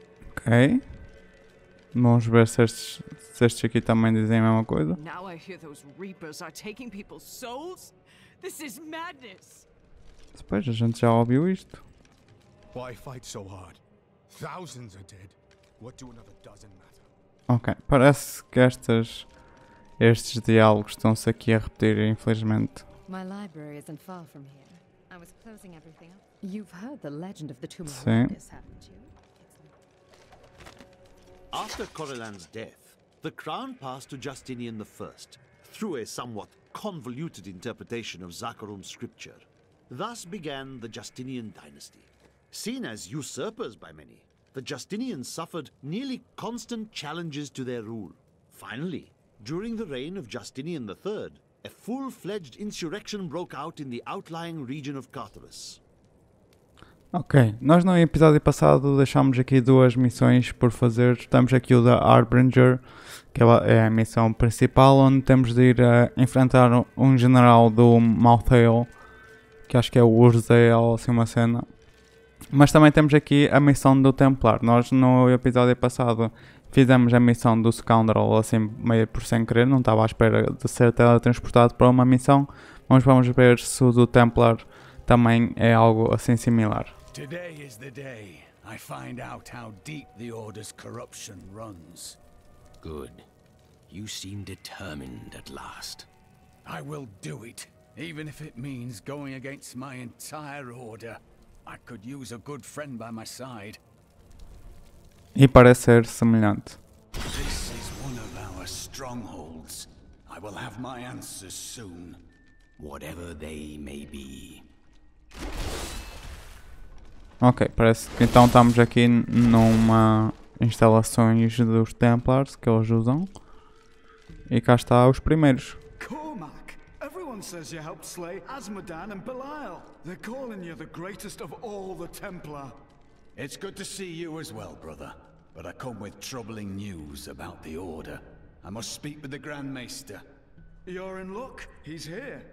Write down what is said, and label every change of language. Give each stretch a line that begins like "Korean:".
Portuguese: Ok. Vamos ver se estes aqui também dizem a mesma coisa.
English: Now I hear those reapers are taking people's souls. This is madness.
Portuguese: Depois a gente já ouviu isto.
English: Why fight so hard? Thousands are dead. What do another dozen matter?
Portuguese: Ok, parece que estes diálogos estão-se aqui a repetir, infelizmente.
English: My library isn't far from here. I was closing everything up. You've heard the legend of the tomb of this, haven't you? After Coraline's death, the crown passed to Justinian I through a somewhat convoluted interpretation of Zakharum's scripture. Thus began the Justinian dynasty. Seen as usurpers by many, the Justinians suffered nearly constant challenges to their rule. Finally, during the reign of Justinian III, a full-fledged insurrection broke out in the outlying region of Carthoris.
Portuguese: Ok, nós no episódio passado deixámos aqui duas missões por fazer. Temos aqui o da Harbinger, que é a missão principal, onde temos de ir a enfrentar um general do Maiden, que acho que é o Urzael, assim uma cena. Mas também temos aqui a missão do Templar. Nós no episódio passado fizemos a missão do Scoundrel, assim meio por sem querer, não estava à espera de ser teletransportado para uma missão. Vamos ver se o do Templar também é algo assim similar.
English: Today is the day I find out how deep the order's corruption runs. Good. You seem determined at last. I will do it, even if it means going against my entire order. I could use a good friend by my side.
Portuguese: E parece ser semelhante.
English: This is one of our strongholds. I will have my answers soon, whatever they may be.
Portuguese: Ok, parece que então estamos aqui numa instalações dos Templars que eles usam. E cá está os primeiros.
English: Cormac, everyone says you helped slay Asmodan and Belial. They're calling you the greatest of all the Templar. It's good to see you as well, brother. But I come with troubling news about the order. I must speak with the Grand Maester. You're in luck. He's here.